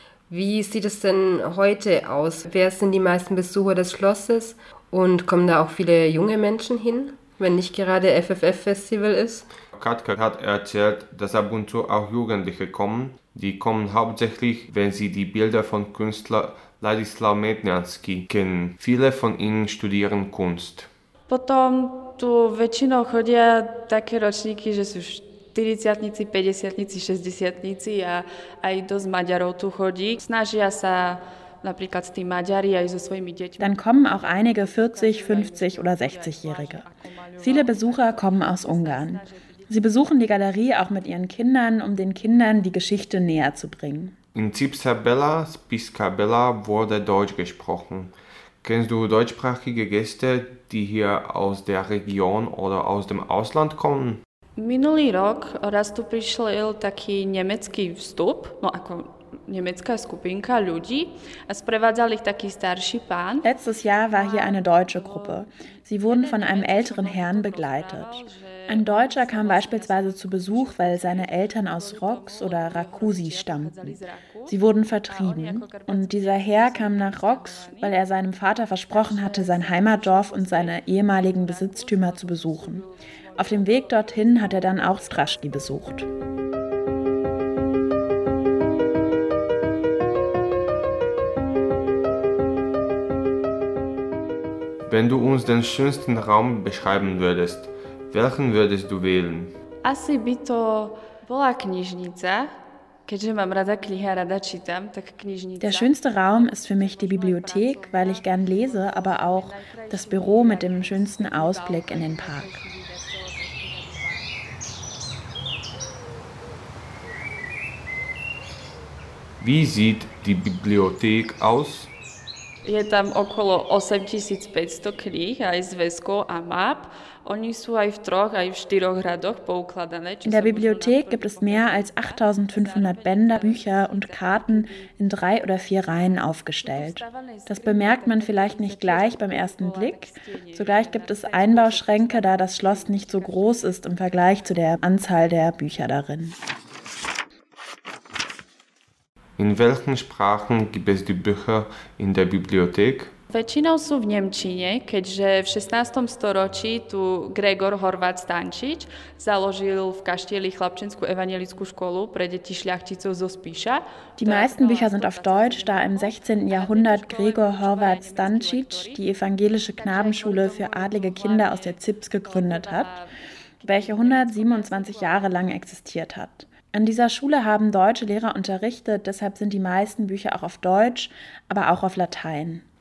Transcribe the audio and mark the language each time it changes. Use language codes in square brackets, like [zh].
[de] Wie sieht es denn heute aus? Wer sind die meisten Besucher des Schlosses und kommen da auch viele junge Menschen hin, wenn nicht gerade FFF-Festival ist? Katka hat erzählt, dass ab und zu auch Jugendliche kommen. Die kommen hauptsächlich, wenn sie die Bilder von Künstler Ladislav Medniansky kennen. Viele von ihnen studieren Kunst. [sk] Potom tu väčšinou chodia také ročníky, že sú 40-tnici, 50-tnici, 60-tnici a aj dosť Maďarov tu chodí. Snažia sa napríklad tí Maďari aj so svojimi deťmi. [de] Dann kommen auch einige 40, 50 oder 60-jährige. Viele Besucher kommen aus Ungarn. Sie besuchen die Galerie auch mit ihren Kindern, um den Kindern die Geschichte näher zu bringen. In Spiska Bela wurde Deutsch gesprochen. Kennst du deutschsprachige Gäste, die hier aus der Region oder aus dem Ausland kommen? [sk] Minulý rok raz tu prišiel taký nemecký vstup, no ako nemecká skupinka ľudí, a sprevádzal ich taký starší pán. [de] Letztes Jahr war hier eine deutsche Gruppe. Sie wurden von einem älteren Herrn begleitet. Ein Deutscher kam beispielsweise zu Besuch, weil seine Eltern aus Rox oder Rakusi stammten. Sie wurden vertrieben. Und dieser Herr kam nach Rox, weil er seinem Vater versprochen hatte, sein Heimatdorf und seine ehemaligen Besitztümer zu besuchen. Auf dem Weg dorthin hat er dann auch Strašky besucht. Wenn du uns den schönsten Raum beschreiben würdest, welchen würdest du wählen? [sk] Asi by to bola knižnica, keďže mám rada knihy a rada čítam, tak knižnica. [de] Der schönste Raum ist für mich die Bibliothek, weil ich gern lese, aber auch das Büro mit dem schönsten Ausblick in den Park. Wie sieht die Bibliothek aus? [sk] Je tam okolo 8500 kníh aj s väzkou a map. Oni sú aj v troch aj v štyroch radoch poukladané. [de] In der Bibliothek gibt es mehr als 8500 Bänder, Bücher und Karten in 3 oder 4 Reihen aufgestellt. Das bemerkt man vielleicht nicht gleich beim ersten Blick. Zugleich gibt es Einbauschränke, da das Schloss nicht so groß ist im Vergleich zu der Anzahl der Bücher darin. In welchen Sprachen gibt es die Bücher in der Bibliothek? [sk] Väčšinou sú v nemčine, keďže v 16. storočí tu Gregor Horváth Stančič založil v kaštieli chlapčenskú evangelickú školu pre deti šľachticov zo Spiša. [de] Die meisten Bücher sind auf Deutsch, da im 16. Jahrhundert Gregor Horváth Stančič die evangelische Knabenschule für adlige Kinder aus der Zips gegründet hat, welche 127 Jahre lang existiert hat. An dieser Schule haben deutsche Lehrer unterrichtet, deshalb sind die meisten Bücher auch auf Deutsch, aber auch auf Latein.